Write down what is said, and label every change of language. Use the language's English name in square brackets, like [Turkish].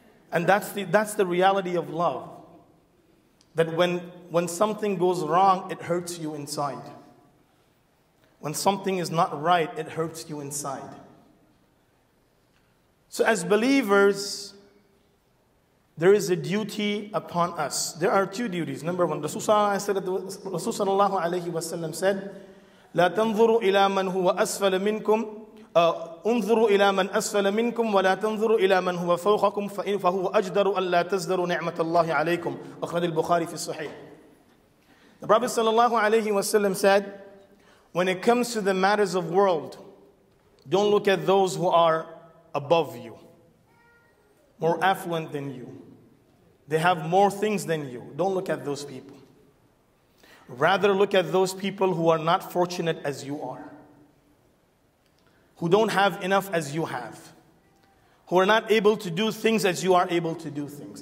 [English] And that's the reality of love. That when something goes wrong, it hurts you inside. When something is not right, it hurts you inside. So as believers, there is a duty upon us. There are two duties. [Arabic] Number one, Rasul sallallahu alayhi wa sallam said, لَا تَنْظُرُوا إِلَى مَنْ هُوَ أَسْفَلَ مِنْكُمْ أُنْظُرُوا إِلَى مَنْ أَسْفَلَ مِنْكُمْ وَلَا تَنْظُرُوا إِلَى مَنْ هُوَ فَوْقَكُمْ فَهُوَ أَجْدَرُ أَلَّا تَزْدَرُوا نِعْمَةَ اللَّهِ عَلَيْكُمْ أَخْرَجَ الْبُخَارِي فِي الصَّحِيحِ. [English] The Prophet sallallahu alayhi wa sallam said, when it comes to the matters of world, don't look at those who are above you, more affluent than you. They have more things than you. Don't look at those people. Rather, look at those people who are not fortunate as you are, who don't have enough as you have, who are not able to do things as you are able to do things.